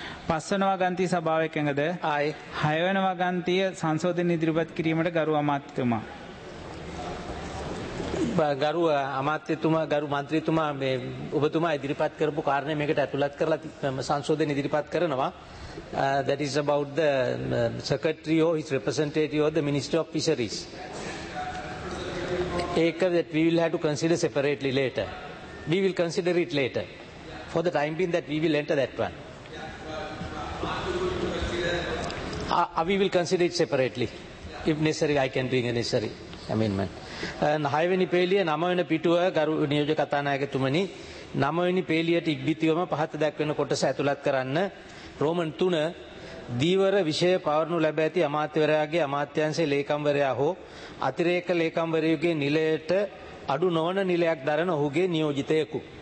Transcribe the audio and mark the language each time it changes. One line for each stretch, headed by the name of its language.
Sinhala: පස්වන වගන්තිය සභාව එකඟද?
English: Aye.
Sinhala: හයවන වගන්තිය සංශෝධන ඉදිරිපත් කිරීමට ගරු අමාත්‍යතුමා. ගරු අමාත්‍යතුමා, ගරු මන්ත්‍රීතුමා, මේ ඔබතුමා ඉදිරිපත් කරපු කාරණය මේකට ඇතුළත් කරලා සංශෝධන ඉදිරිපත් කරනවා.
English: That is about the secretary or his representative or the minister of fisheries. Acre that we will have to consider separately later. We will consider it later. For the time being that we will enter that one. We will consider it separately. If necessary, I can bring a necessary amendment.
Sinhala: හයවෙනි පේළිය නමවෙනි පිටුව ගරු නියෝජ්‍ය කතානායකතුමනි, නමවෙනි පේළියට ඉක්බිතිවම පහත දැක්වෙන කොටස ඇතුළත් කරන්න. Roman තුන දීවර විෂය පවරණු ලැබ ඇති අමාත්‍යවරයාගේ අමාත්‍යංශයේ ලේකම්වරයා හෝ අතිරේක ලේකම්වරයෙකුගේ නිලයට අඩු නොවන නිලයක් දරන ඔහුගේ නියෝජිතයෙකු.